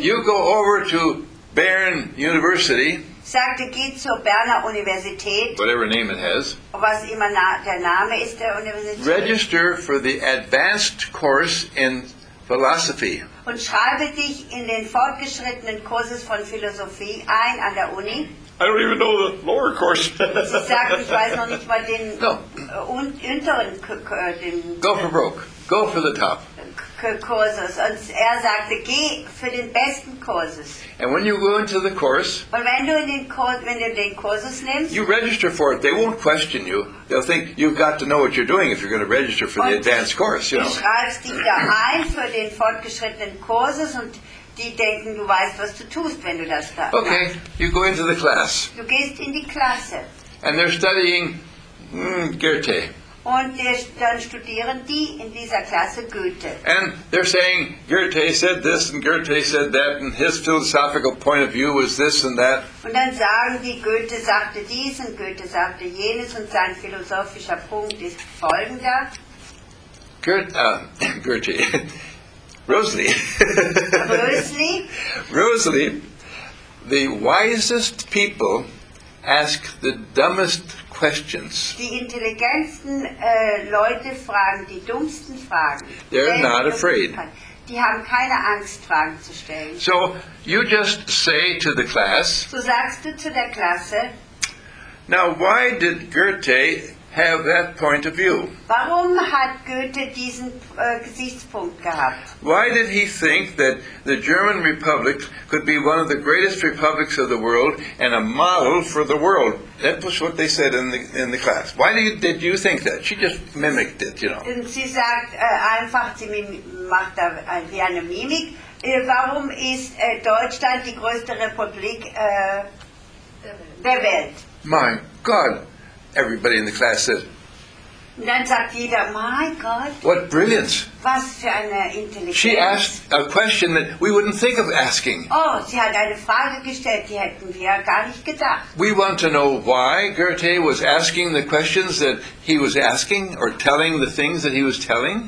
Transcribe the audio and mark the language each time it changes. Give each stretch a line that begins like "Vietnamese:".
English: you go over to Bern University.
German: Sagte, geh zur Berner Universität.
English: Whatever name it has.
German: Was immer der Name ist der Universität.
English: Register for the advanced course in philosophy.
German: Und schreibe dich in den fortgeschrittenen Kurses von Philosophie ein an der Uni.
English: I don't even know the lower course.
German: Sie sagt, ich weiß noch nicht mal den unteren den
English: go for broke. Go for the top.
German: Kurses. Und er sagte, geh für den besten Kurses.
English: And when you go into the course,
German: und wenn du den Kurses nimmst,
English: you register for it. They won't question you. They'll think you've got to know what you're doing if you're going to register for the advanced course. You
German: du
English: know.
German: Schreibst dich da ein für den fortgeschrittenen Kurses, und die denken, du weißt, was du tust, wenn du das da.
English: Okay, you go into the class.
German: Du gehst in die Klasse.
English: And they're studying Goethe.
German: Und dann studieren die in dieser Klasse Goethe.
English: And they're saying Goethe said this and Goethe said that and his philosophical point of view was this and that.
German: Und dann sagen die, Goethe sagte dies und Goethe sagte jenes und sein philosophischer Punkt ist folgender.
English: Goethe. Rosalie. Rosalie. Rosalie, the wisest people ask the dumbest questions.
German: Die intelligentesten Leute fragen die dummsten Fragen.
English: They're not afraid.
German: Die haben keine Angst, Fragen zu stellen.
English: So you just say to the class.
German: So sagst du zu der Klasse.
English: Now, why did Goethe have that point of view?
German: Warum hat Goethe diesen Gesichtspunkt gehabt?
English: Why did he think that the German Republic could be one of the greatest republics of the world and a model for the world? That was what they said in the class. Why did you think that? She just mimicked it, you know.
German: Und sie sagt einfach, sie macht da wie eine Mimik. Warum ist Deutschland die größte Republik der Welt?
English: My God. Everybody in the class said.
German: Dann sagt jeder,
English: my God. What brilliance.
German: Was für eine Intelligenz.
English: She asked a question that we wouldn't think of asking.
German: Oh, sie hat eine Frage gestellt, die hätten wir gar nicht gedacht.
English: We want to know why Goethe was asking the questions that he was asking or telling the things that he was telling.